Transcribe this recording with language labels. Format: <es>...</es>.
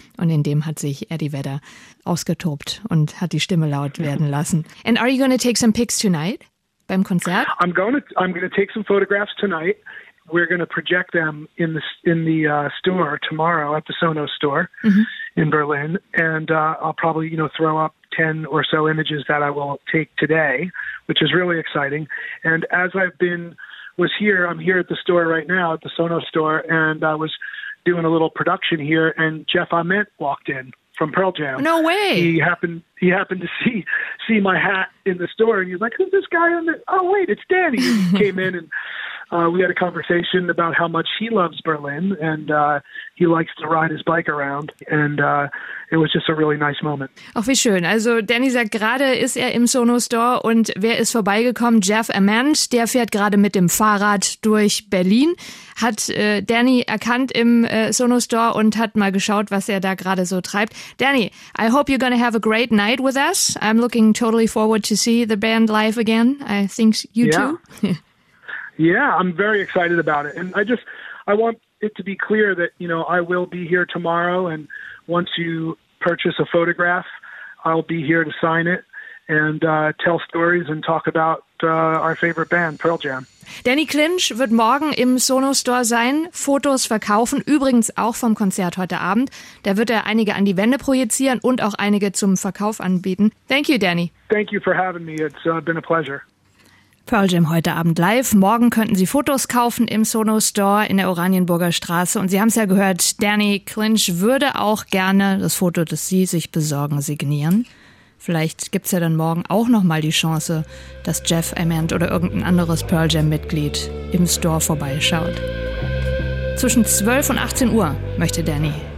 <de>Und in dem hat sich Eddie Vedder ausgetobt und hat die Stimme laut werden lassen.</de> <en>And are you going to take some pics tonight?</en> <de>Beim Konzert?</de> <en>I'm going to take some photographs tonight. We're going to project them in the store tomorrow at the Sonos store, mm-hmm. in Berlin. And I'll probably, you know, throw up 10 or so images that I will take today, which is really exciting. And as I'm here at the store right now, at the Sonos store, and I was doing a little production here, and Jeff Ament walked in from Pearl Jam. No way. He happened to see my hat in the store, and he's like, who's this guy on the, oh, wait, it's Danny. He came in and we had a conversation about how much he loves Berlin and he likes to ride his bike around and it was just a really nice moment.</en> <de>Ach, wie schön. Also Danny sagt, gerade ist er im Sonos Store und wer ist vorbeigekommen? Jeff Ament, der fährt gerade mit dem Fahrrad durch Berlin, hat Danny erkannt im Sonos Store und hat mal geschaut, was er da gerade so treibt.</de> <en>Danny, I hope you're going to have a great night with us. I'm looking totally forward to see the band live again. I think you yeah. too. Yeah, I'm very excited about it. And I want it to be clear that, you know, I will be here tomorrow. And once you purchase a photograph, I'll be here to sign it and tell stories and talk about our favorite band, Pearl Jam.</en> <de>Danny Clinch wird morgen im Sonos Store sein, Fotos verkaufen, übrigens auch vom Konzert heute Abend. Da wird er einige an die Wände projizieren und auch einige zum Verkauf anbieten.</de> <en>Thank you, Danny. Thank you for having me. It's been a pleasure.</en> <de>Pearl Jam heute Abend live. Morgen könnten Sie Fotos kaufen im Sono Store in der Oranienburger Straße. Und Sie haben es ja gehört, Danny Clinch würde auch gerne das Foto, das Sie sich besorgen, signieren. Vielleicht gibt es ja dann morgen auch nochmal die Chance, dass Jeff Ament oder irgendein anderes Pearl Jam-Mitglied im Store vorbeischaut. Zwischen 12 und 18 Uhr möchte Danny</de>